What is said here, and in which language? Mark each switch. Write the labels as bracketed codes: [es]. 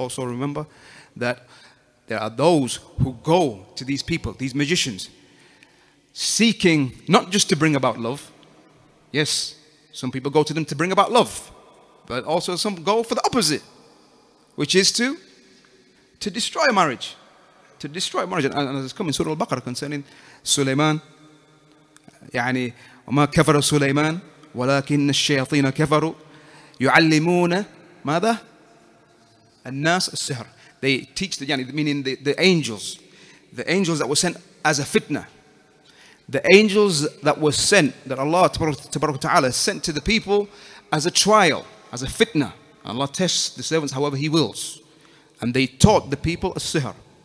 [en] Also remember that there are those who go to these people, these magicians, seeking not just to bring about love. Yes, some people go to them to bring about love, but also some go for the opposite, which is to destroy a marriage. To destroy marriage. And as it's come in Surah Al-Baqarah concerning Sulaiman, [ar] يعني وما كفر سليمان ولكن الشياطين كفروا يعلمون ماذا الناس السحر. [en] They teach the, [ar] يعني, [en] meaning the angels that were sent as a fitna. The angels that were sent, that Allah Ta'ala sent to the people as a trial, as a fitna. Allah tests the servants however He wills. And they taught the people a sihr.